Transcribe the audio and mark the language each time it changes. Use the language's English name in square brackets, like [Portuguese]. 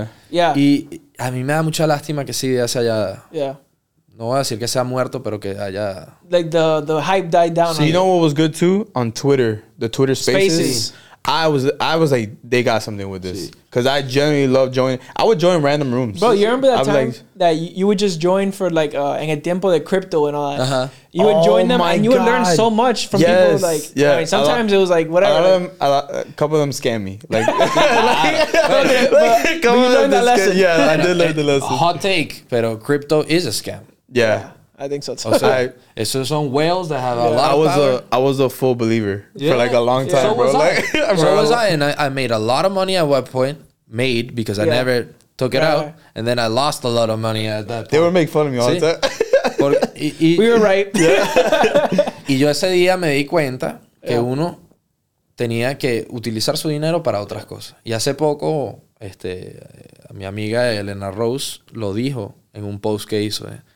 [Spanish] Y a mí me da mucha lástima que esa idea se haya. [English] Yeah. [Spanish] No voy a decir que sea muerto, pero que haya. [English] Like the hype died down. So you know what was good too? On Twitter, the Twitter spaces. I was like, they got something with this. Because I genuinely love joining. I would join random rooms. Bro, you remember that time like, that you would just join for like, [Spanish] en el tiempo de crypto [English] and all that? Uh-huh. You would join them and you would learn so much from people. Like, sometimes it was like, whatever. A couple of them scam me. Like, you learned that lesson. Yeah, I did learn the lesson. Hot take, pero crypto is a scam. Yeah. I think so too. So some whales that have a lot of power. I was a full believer for like a long time, so bro. So was I, and I made a lot of money at one point. Made because I never took it out, and then I lost a lot of money at that point. They would make fun of me all the time. We were right. [Spanish] Y yo ese día me di cuenta que uno tenía que utilizar su dinero para otras cosas. Y hace poco, mi amiga Elena Rose lo dijo en un post que hizo.